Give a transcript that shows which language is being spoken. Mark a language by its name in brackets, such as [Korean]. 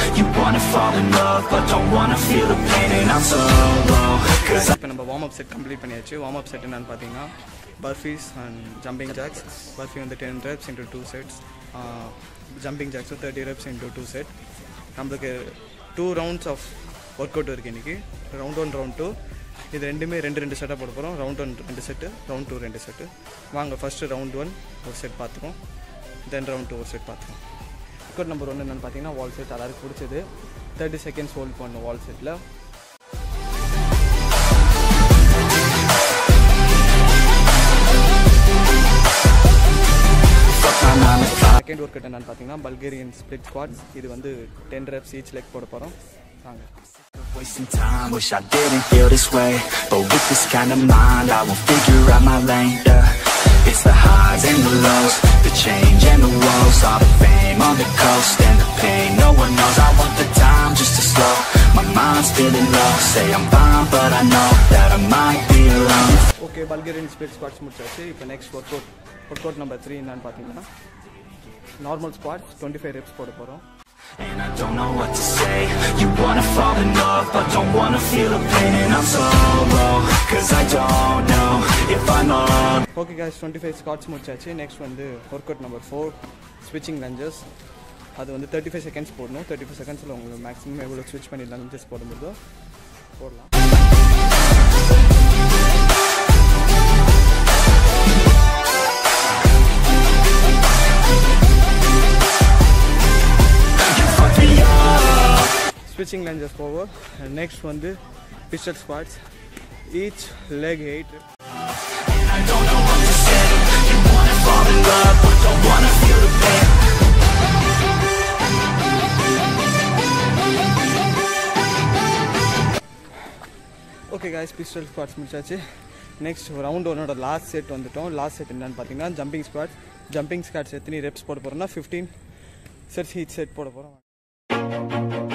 [English] You wanna fall in love, but don't wanna feel the pain. And I'm so low, cause I... Now we have complete the warm-up set. Warm-up set is what we have done. Burpees and jumping jacks. Burpees are 10 reps into 2 sets. Jumping jacks are 30 reps into 2 sets. We have 2 rounds of workout. Round 1, round 2. [Tamil] இது ரெண்டுமே ரெண்டு ரெண்டு செட்டாக போட போகிறோம். Round one ரெண்டு set, round two ரெண்டு set. வாங்க ஃபஸ்ட்டு ரவுண்ட் ஒன் ஒரு செட் பார்த்துக்கோம், தென் ரவுண்ட் டூ ஒரு செட் பார்த்துக்கோம். ஒர்க் அவுட் நம்பர் ஒன்று என்னென்னு பார்த்தீங்கன்னா வால் செட். எல்லாருக்கும் பிடிச்சது 30 செகண்ட்ஸ் ஹோல்ட் பண்ணணும் வால் செட்டில். செகண்ட் ஒர்க் அவுட் என்னென்னு பார்த்தீங்கன்னா பல்கேரியன் ஸ்பிளிட் ஸ்குவாட்ஸ். இது வந்து 10 ரெப்ஸ் ஈச் லெக் போட போகிறோம். வாங்க. [English] Wasting time, wish I didn't feel this way. But with this kind of mind, I will figure out my lane, yeah. It's the highs and the lows, the change and the woes. All the fame on the coast and the pain no one knows. I want the time just to slow, my mind's feeling low. Say I'm fine, but I know that I might be alone. Okay, Bulgarian split squats முடிச்சாச்சு. இப்போ next workout, workout number 3 [Tamil] என்னன்னு பார்த்தீங்கன்னா [English] normal squats, 25 reps போட போகிறோம். And I don't know what to say. You wanna fall in love, but don't wanna feel the pain. And I'm so low, cause I don't know if I'm on. Okay guys, 25 squats முடிச்சாச்சு. Next வந்து workout number 4, switching lunges. [Tamil] அது வந்து 35 seconds போடணும். 35 seconds-ல உங்களுக்கு maximum எவ்வளோ ஸ்விட்ச் பண்ணி lunges போட முடியுதோ போடலாம். [English] Switching lunges forward. And next one the pistol squats. Each leg 8. Okay guys, pistol squats முடிச்சாச்சு. [Tamil] நெக்ஸ்ட் ரவுண்ட் ஒன்னோட லாஸ்ட் செட் வந்துட்டோம். லாஸ்ட் செட் என்னன்னு பார்த்தீங்கன்னா ஜம்பிங் ஸ்குவாட்ஸ். ஜம்பிங் ஸ்குவாட்ஸ் எத்தனை ரெப்ஸ் போட போகிறோம்னா 15 செட்ஸ் ஈச் செட் போட போகிறோம்.